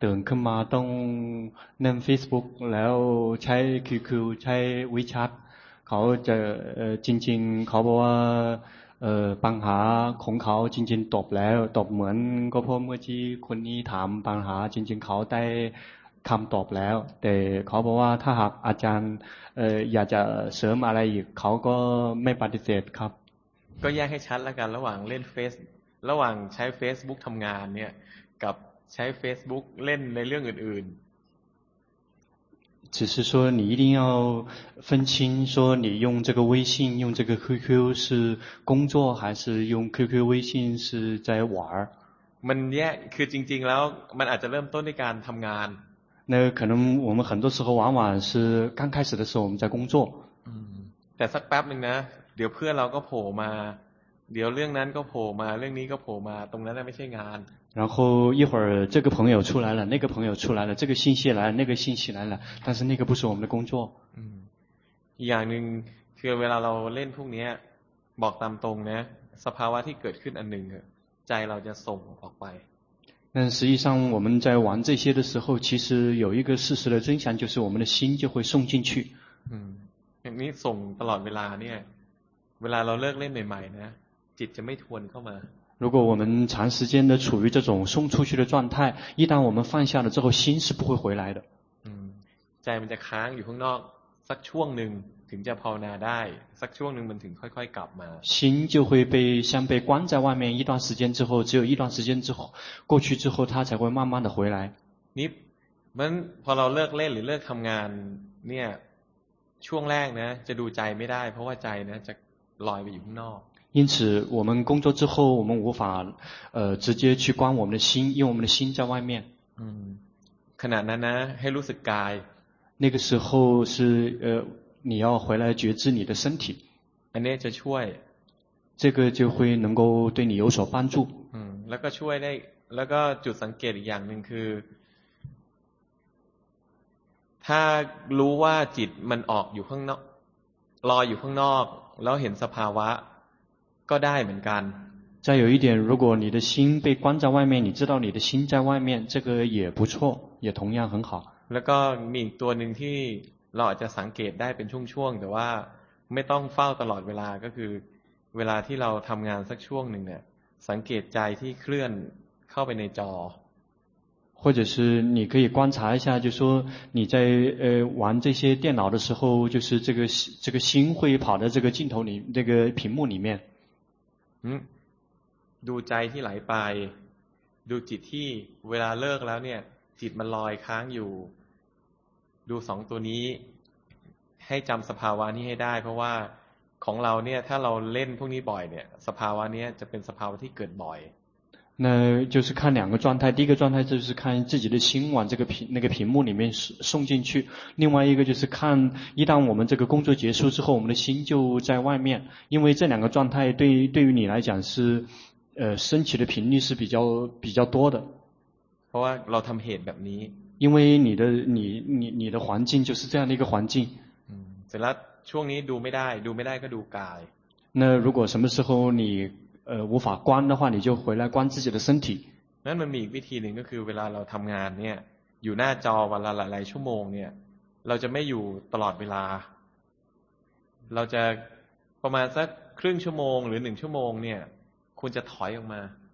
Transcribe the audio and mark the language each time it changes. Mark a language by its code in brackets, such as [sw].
[th] ตื่นขึ้นมาต้องเล่น Facebook แล้วใช้ QQ ใช้ WeChat เขาจะจริงๆเขาบอกว่าปัญหาของเขาจริงๆตบแล้วตบเหมือนก็เพราะเมื่อกี้คนนี้ถามปัญหาจริงๆเขาได้คำตอบแล้วแต่เขาบอกว่าถ้าหากอาจารย์อยากจะเสริมอะไรอีกเขาก็ไม่ปฏิเสธครับ ก็แยกให้ชัดแล้วกันระหว่างเล่นเฟซระหว่างใช้ Facebook ทำงานเนี่ยกับใช้ Facebook เล่นในเรื่องอื่น [zh] ๆ只是说你一定要分清说你用这个微信用这个 QQ 是工作还是用 QQ 微信是在玩 [th] มันแยกคือจริงๆแล้วมันอาจจะเริ่มต้นในการทำงาน [zh] 那可能我们很多时候往往是刚开始的时候我们在工作 [th] แต่สักแป๊บนึงนะเดี๋ยวเพื่อนเราก็โผล่มาเดี๋ยวเรื่องนั้นก็โผล่มาเรื่องนี้ก็โผล่มาตรงนั้นน่ะไม่ใช่งาน [zh] 然后一会儿这个朋友出来了那个朋友出来了这个信息来了那个信息来了但是那个不是我们的工作 [th] อย่างนึงคือเวลาเราเล่นพวกนี้บอกตามตรงนะสภาวะที่เกิดขึ้นอันนึงใจเราจะส่งออกไป [zh] นั่น实际上我们在玩这些的时候其实有一个事实的真相就是我们的心就会送进去 [th] นี่ส่งตลอดเวลาเนี่ยเวลาเราเลิกเล่นใหม่ๆนะจิตจะไม่ทวนเข้ามา [zh] 如果我们长时间的处于这种送出去的状态一旦我们放下了之后心是不会回来的 [th] ใจมันจะค้างอยู่ข้างนอกสักช่วงหนึ่งถึงจะภาวนาได้สักช่วงหนึ่งมันถึงค่อยๆกลับมา [zh] 心就会被像被关在外面一段时间之后只有一段时间之后过去之后它才会慢慢的回来 [th] นี่มันพอเราเลิกเล่นหรือเลิกทำงานเนี่ยช่วงแรกนะจะดูใจไม่ได้เพราะว่าใจนะจะลอยไปอยู่ข้างนอก [zh] 因此我们工作之后我们无法直接去观我们的心因为我们的心在外面 [th] ขณะนั้นนะให้รู้สึกกาย [zh] 那个时候是你要回来觉知你的身体 [th] อันนี้จะช่วย [zh] 这个就会能够对你有所帮助 [th] แล้วก็ช่วยได้แล้วก็จุดสังเกตอีกอย่างนึงคือถ้ารู้ว่าจิตมันออกอยู่ข้างนอกลอยอยู่ข้างนอกแล้วเห็นสภาวะก็ได้เหมือนกัน [zh] 再有一点如果你的心被关在外面你知道你的心在外面这个也不错也同样很好 [th] แล้วก็มีตัวหนึ่งที่เราอาจจะสังเกตได้เป็นช่วงๆแต่ว่าไม่ต้องเฝ้าตลอดเวลาก็คือเวลาที่เราทำงานสักช่วงหนึ่งเนี่ยสังเกตใจที่เคลื่อนเข้าไปในจอ [zh] 或者是你可以观察一下就是说你在玩这些电脑的时候就是这个心会跑到这个镜头里那个屏幕里面 [th] ดูใจที่ไหลไปดูจิตที่เวลาเลิกแล้วเนี่ยจิตมันลอยค้างอยู่ดูสองตัวนี้ให้จำสภาวะนี้ให้ได้เพราะว่าของเราเนี่ยถ้าเราเล่นพวกนี้บ่อยเนี่ยสภาวะนี้จะเป็นสภาวะที่เกิดบ่อย [zh] 那就是看两个状态第一个状态就是看自己的心往这个屏那个屏幕里面送进去另外一个就是看一旦我们这个工作结束之后我们的心就在外面因为这两个状态对于你来讲是升起的频率是比较多的 [th] เพราะว่าเราทำเหตุแบบนี้ [zh] 因为你的环境就是这样的一个环境 [th] เสร็จแล้วช่วงนี้ดูไม่ได้ก็ดูกาย [zh] 那如果什么时候你无法关的话你就回来关自己的身体 [th] นั่นมันมีอีกวิธีหนึ่งก็คือเวลาเราทำงานเนี่ยอยู่หน้าจอวันละหลายๆชั่วโมงเนี่ยเราจะไม่อยู่ตลอดเวลาเราจะประมาณสักครึ่งชั่วโมงหรือหนึ่งชั่วโมงเนี่ยคุณจะถอยออกมา